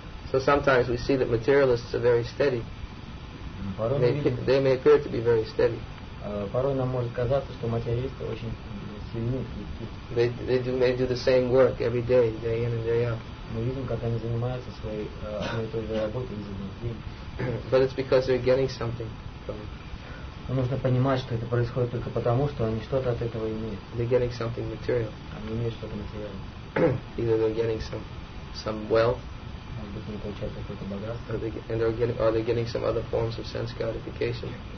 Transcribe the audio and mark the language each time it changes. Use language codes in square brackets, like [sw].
[en] So sometimes we see that materialists are very steady. They may appear to be very steady. [ru] Порой нам может казаться, что материалисты очень сильны. [en] They do the same work every day, day in and day out. [ru] Мы видим, как они занимаются своей одной и той же работой изо дня в день. [en] But it's because they're getting something from it. [ru] Но нужно понимать, что это происходит только потому, что они что-то от этого имеют. [en] They're getting something material. [ru] Они имеют что-то материальное. [en] Either they're getting some wealth. Are they getting some other forms of sense gratification?